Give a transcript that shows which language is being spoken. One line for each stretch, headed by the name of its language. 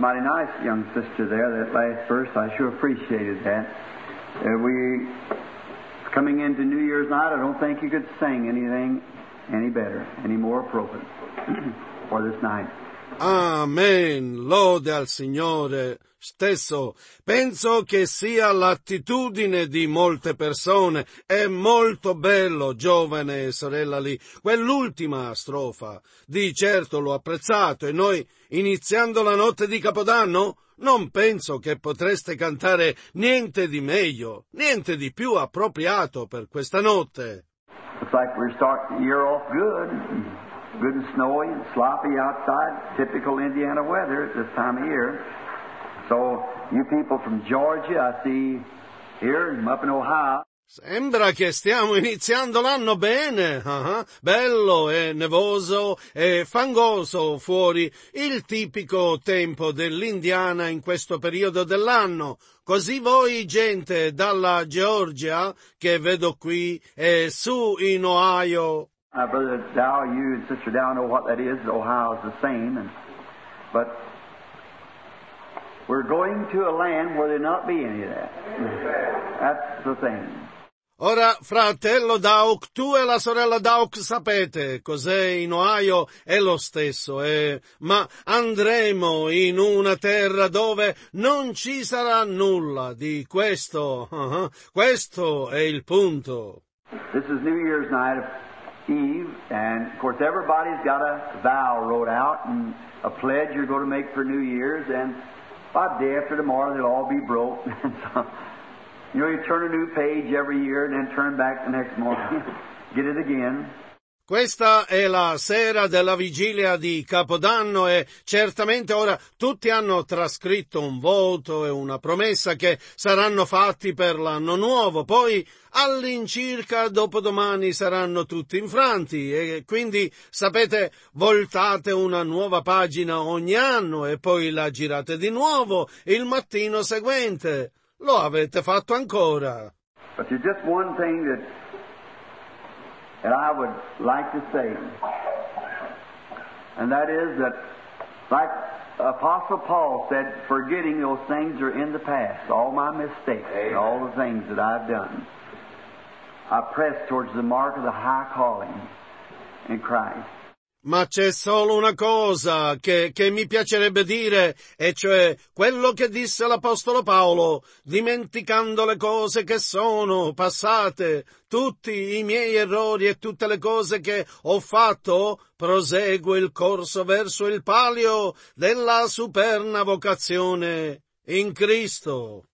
English: Mighty nice, young sister, there, that last verse. I sure appreciated that. We, coming into New Year's night, I don't think you could sing anything any better, any more appropriate for this night.
Italian: Amen. Lode al Signore stesso. Penso che sia l'attitudine di molte persone. È molto bello, giovane sorella lì. Quell'ultima strofa, di certo l'ho apprezzato. E noi, iniziando la notte di Capodanno, non penso che potreste cantare niente di meglio, niente di più appropriato per questa notte.
English: It's like we're starting the year off good. Good and snowy and sloppy outside, typical Indiana weather at this time of year. So, you people from Georgia, I see here, I'm up in Ohio.
Italian: Sembra che stiamo iniziando l'anno bene. Bello e nevoso e fangoso fuori, il tipico tempo dell'Indiana in questo periodo dell'anno. Così voi, gente dalla Georgia, che vedo qui, e su in Ohio.
English: Brother Dow, you and Sister Dow know what that is. Ohio is the same. But we're going to a land where there not be any of that. That's the thing.
Italian: Ora, fratello Dauk, tu e la sorella Dauk sapete cos'è in Ohio, è lo stesso, ma andremo in una terra dove non ci sarà nulla di questo. Questo è il punto.
English: This is New Year's night. Eve, and of course everybody's got a vow wrote out and a pledge you're going to make for New Year's, and by the day after tomorrow they'll all be broke. So, you know, you turn a new page every year and then turn back the next morning, get it again.
Italian: Questa è la sera della vigilia di Capodanno e certamente ora tutti hanno trascritto un voto e una promessa che saranno fatti per l'anno nuovo. Poi all'incirca dopodomani saranno tutti infranti e quindi, sapete, voltate una nuova pagina ogni anno e poi la girate di nuovo il mattino seguente. Lo avete fatto ancora.
English: But there's just one thing that... And I would like to say, and that is that, like Apostle Paul said, forgetting those things are in the past, all my mistakes, Amen. All the things that I've done, I press towards the mark of the high calling in Christ.
Italian: Ma c'è solo una cosa che mi piacerebbe dire, e cioè quello che disse l'Apostolo Paolo, dimenticando le cose che sono passate, tutti i miei errori e tutte le cose che ho fatto, proseguo il corso verso il palio della superna vocazione in Cristo.